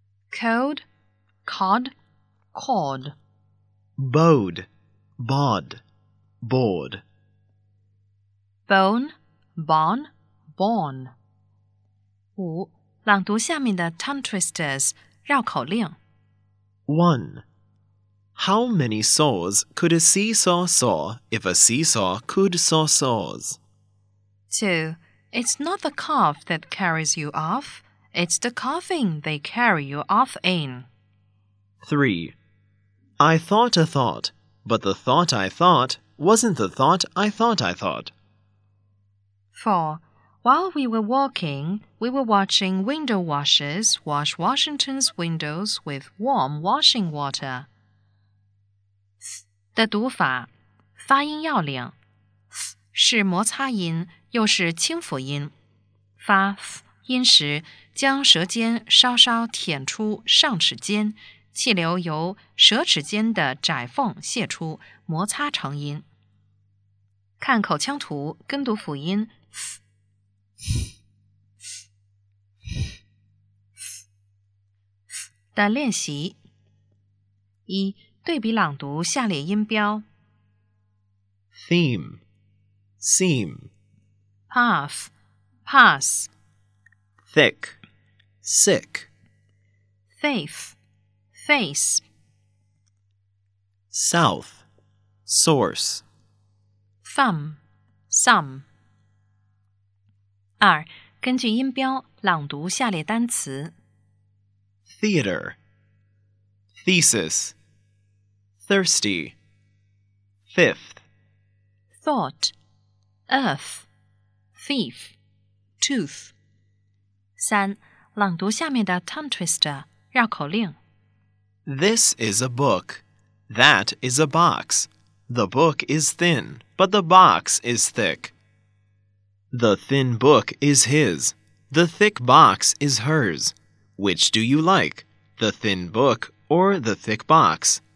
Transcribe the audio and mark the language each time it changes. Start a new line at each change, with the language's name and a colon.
English: Code, cod, cord. Bode, bod, board. Bone, bon, born.
Chinese: 五，朗读下面的 tongue twisters 绕口令。
English: One. How many saws could a seesaw saw if a seesaw could saw saws? 2. It's not the cough that carries you off. It's the coughing they carry you off in. 3. I thought a thought, but the thought I thought wasn't the thought I thought I thought. 4. While we were walking, we were watching window washers wash Washington's windows with warm washing water.
Chinese: 的读法，发音要领 ，th 是摩擦音，又是清辅音。发 th 音时，将舌尖稍稍舔出上齿间，气流由舌齿间的窄缝泄出，摩擦成音。看口腔图，跟读辅音 th。的练习一。对比朗读下列音标
English: Theme Seam Path Pass Thick Sick Faith Face South Source Thumb Some
Chinese: 二，根据音标朗读下列单词
English: Theater ThesisThirsty. Fifth. Thought. Earth. Thief. Tooth.
Chinese: 三，朗读下面的 tongue twister, 绕口令。
English: This is a book. That is a box. The book is thin, but the box is thick. The thin book is his. The thick box is hers. Which do you like? The thin book or the thick box?